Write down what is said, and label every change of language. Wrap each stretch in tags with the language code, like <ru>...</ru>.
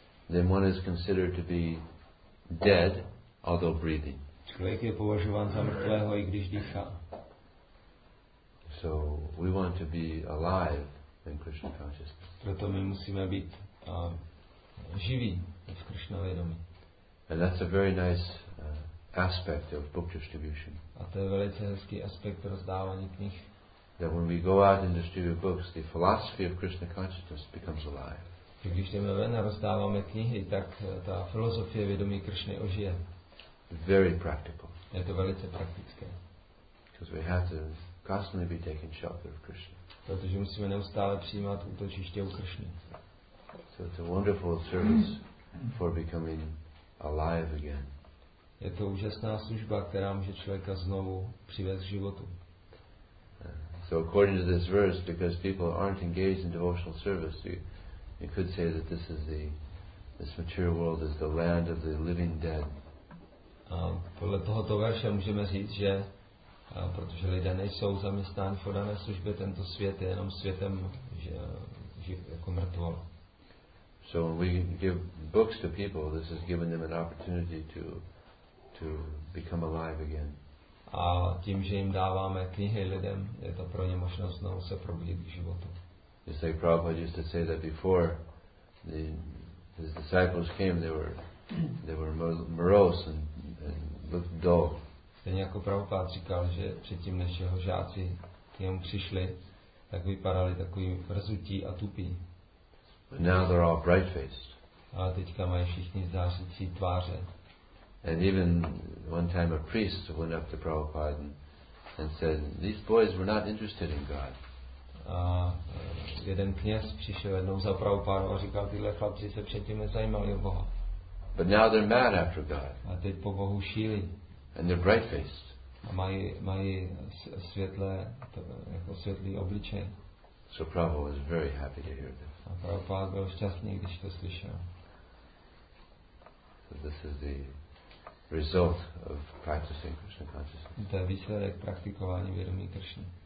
<en>then one is considered to be dead, although breathing.</en> <cs>Člověk je považován za mrtvého, i když dýchá.</cs> <en>So we want to be alive in Krishna consciousness.</en> <cs>Proto my musíme být živí v Krishna vědomí.</cs> <en>And that's a very nice aspect of book distribution.</en> <cs>A to je velice hezký aspekt rozdávání knih.</cs> <en>That when we go out and distribute books, the philosophy of Krishna consciousness becomes alive.</en> <cs>Když jdeme ven a rozdáváme knihy, tak ta filozofie vědomí Krishny ožije.</cs> <en>Very practical.</en> <cs>Je to velice praktické.</cs> <en>Because we have to constantly be taking shelter of Krishna.</en> <cs>Protože musíme neustále přijímat útočiště u Krishny.</cs> <en>So it's a wonderful service for becoming alive again.</en> <cs>Je to úžasná služba, která může člověka znovu přivést k životu.</cs> <en>So according to this verse, because people aren't engaged in devotional service, you could say that this material world is the land of the living dead.</en> <cs>A podle tohoto verše můžeme říct, že protože lidé nejsou zaměstnáni v dané službě, tento svět je jenom světem, že jako mrtvol.</cs> <en>So when we give books to people, this is giving them an opportunity to become alive again.</en> <cs>A tím, že jim dáváme knihy lidem, je to pro ně možnost znovu se probudit k životu.</cs> <en>Just like Prabhupada used to say that before his disciples came, they were morose and looked dull.</en> <cs>Stejně jako Prabhupád říkal, že předtím, než jeho žáci k němu přišli, tak vypadali takový mrzutí a tupí.</cs> <en>But now they're all bright-faced.</en> <cs>Ale teďka mají všichni zářící tváře.</cs> <en>And even one time a priest went up to Prabhupada and said, these boys were not interested in God.</en> <cs>A jeden kněz přišel jednou za Prabhupádu a říkal, tyhle chlapci se předtím nezajímali o Boha.</cs> <en>But now they're mad after God.</en> <cs>A teď po Bohu šílí.</cs> <en>And they're bright-faced.</en> <cs>Mají světlé, jako světlý obličej.</cs> <en>So Prabhupada was very happy to hear this.</en> <cs>A Prabhupada byl šťastný, když to slyšel.</cs> <en>So this is the result of practicing Krishna consciousness.</en> <cs>To je výsledek praktikování vědomí Krishny.</cs>